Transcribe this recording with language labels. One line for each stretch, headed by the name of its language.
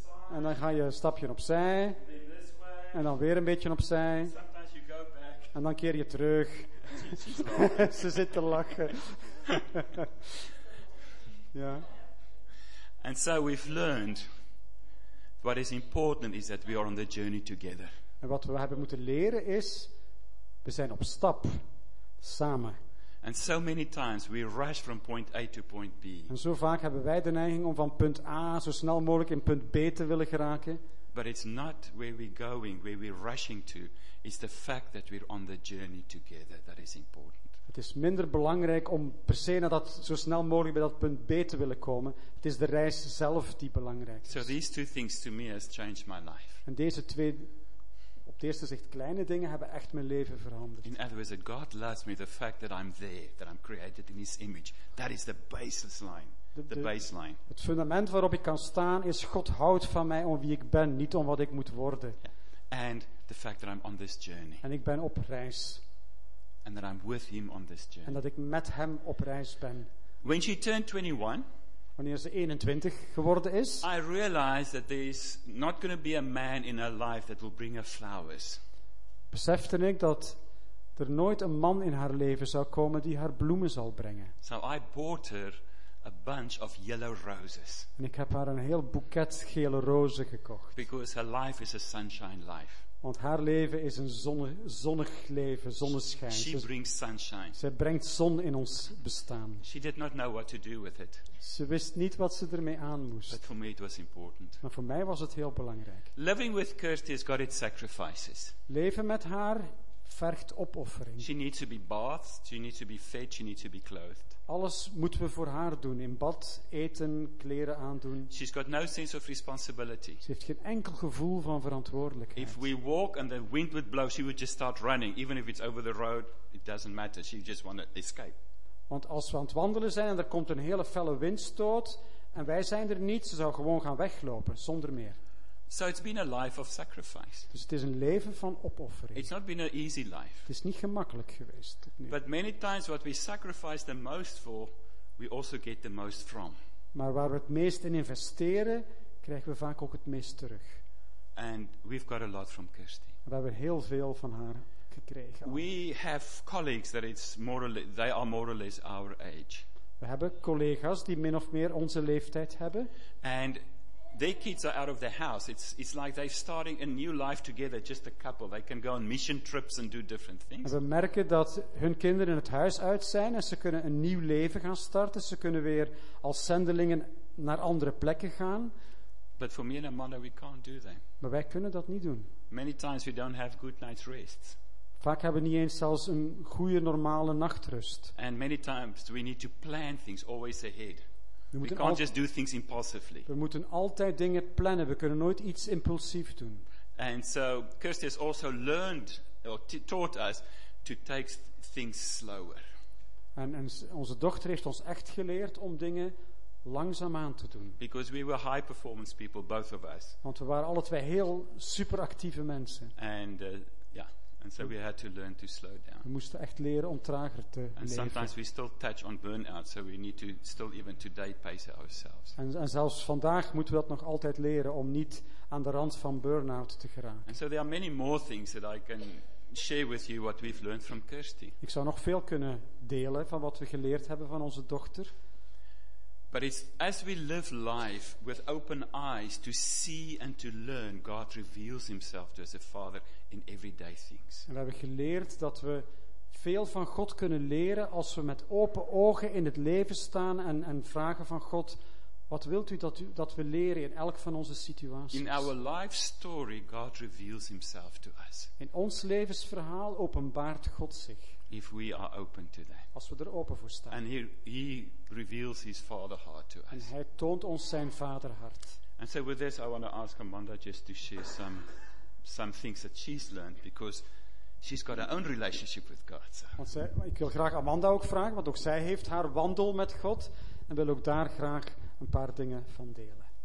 Dutch: En dan ga je een stapje opzij. En dan weer een beetje opzij. En dan keer je terug. Ze zitten lachen. Yeah.
English: And so we've learned what is important is that we are on the journey together.
Dutch: En wat we hebben moeten leren is, we zijn op stap, samen.
English: And so many times we rush from point A to point B.
Dutch: En zo vaak hebben wij de neiging om van punt A zo snel mogelijk in punt B te willen geraken.
English: But it's not where we're going, where we're rushing to. It's the fact that we're on the journey together that is important.
Dutch: Het is minder belangrijk om per se naar dat zo snel mogelijk bij dat punt B te willen komen. Het is de reis zelf die belangrijk is.
English: So these two things to me has changed my life.
Dutch: En deze twee op het eerste zicht kleine dingen hebben echt mijn leven veranderd.
English: In other words, that God loves me, the fact that I'm there, that I'm created in His image, that is the basis line. The baseline.
Dutch: Het fundament waarop ik kan staan is: God houdt van mij om wie ik ben, niet om wat ik moet worden. Yeah.
English: And the fact that I'm on this journey.
Dutch: En ik ben op reis.
English: And that I'm with Him on this journey.
Dutch: En dat ik met Hem op reis ben.
English: When she turned 21.
Dutch: Wanneer ze 21 geworden is.
English: I realized that there is not going to be a man in her life that will bring her flowers.
Dutch: Besefte ik dat er nooit een man in haar leven zou komen die haar bloemen zal brengen.
English: So I bought her a bunch of yellow roses.
Dutch: En ik heb haar een heel boeket gele rozen gekocht.
English: Because her life is a sunshine life.
Dutch: Want haar leven is een zonnig leven, zonneschijn.
English: She brings sunshine.
Dutch: Zij brengt zon in ons bestaan.
English: She did not know what to do with it.
Dutch: Ze wist niet wat ze ermee aan moest.
English: But for me it was important.
Dutch: Maar voor mij was het heel belangrijk.
English: Living with Kirsty has got its sacrifices.
Dutch: Leven met haar vergt opoffering.
English: She needs to be bathed, she needs to be fed, she needs to be clothed.
Dutch: Alles moeten we voor haar doen. In bad, eten, kleren aandoen.
English: She's got no sense of responsibility.
Dutch: Ze heeft geen enkel gevoel van verantwoordelijkheid.
English: If we walk and the wind would blow, she would just start running. Even if it's over the road, it doesn't matter. She just want to escape.
Dutch: Want als we aan het wandelen zijn en er komt een hele felle windstoot en wij zijn er niet, ze zou gewoon gaan weglopen, zonder meer.
English: So it's been a life of sacrifice.
Dutch: Dus het is een leven van opoffering.
English: It's not been an easy life.
Dutch: Het is niet gemakkelijk geweest tot nu.
English: But many times what we sacrifice the most for, we also get the most from.
Dutch: Maar waar we het meest in investeren, krijgen we vaak ook het meest terug.
English: And we've got a lot from Kirsty.
Dutch: We hebben heel veel van haar gekregen.
English: We have colleagues that it's more or less, they are more or less our age.
Dutch: We hebben collega's die min of meer onze leeftijd hebben.
English: And their kids are out of the house. It's like they're starting a new life together, just a couple. They can go on mission trips and do different things.
Dutch: We merken dat hun kinderen in het huis uit zijn en ze kunnen een nieuw leven gaan starten. Ze kunnen weer als zendelingen naar andere plekken gaan.
English: But for me and Amanda, we can't do that.
Dutch: Maar wij kunnen dat niet doen.
English: Many times we don't have good night's rest.
Dutch: Vaak hebben we niet eens zelfs een goede normale nachtrust.
English: And many times we need to plan things always ahead. We can't just do things impulsively.
Dutch: We moeten altijd dingen plannen. We kunnen nooit iets impulsief doen.
English: And so Kirsty has also learned or taught us to take things slower.
Dutch: En onze dochter heeft ons echt geleerd om dingen langzaam aan te doen.
English: Because we were high performance people, both of us.
Dutch: Want we waren alle twee heel superactieve mensen.
English: And so we had to learn to slow down.
Dutch: We moesten echt leren om trager te leven.
English: And sometimes we still touch on burnout, so we need to still even today pace ourselves.
Dutch: En zelfs vandaag moeten we dat nog altijd leren om niet aan de rand van burnout te geraken.
English: And so there are many more things that I can share with you what we've learned from Kirsty.
Dutch: Ik zou nog veel kunnen delen van wat we geleerd hebben van onze dochter.
English: But it's as we live life with open eyes to see and to learn, God reveals Himself to us as a Father in everyday things.
Dutch: En we hebben geleerd dat we veel van God kunnen leren als we met open ogen in het leven staan en vragen van God: wat wilt u dat we leren in elk van onze situaties?
English: In our life story, God reveals Himself to us.
Dutch: In ons levensverhaal openbaart God zich.
English: If we are open to that.
Dutch: Als we er open voor staan.
English: And he reveals his father heart to us.
Dutch: En hij toont ons zijn vaderhart.
English: And so with this I want to ask Amanda just to share some things that she's learned, because she's got her own relationship with God. So.
Dutch: Ik wil graag Amanda ook vragen, want ook zij heeft haar wandel met God en wil ook daar graag een paar dingen van delen.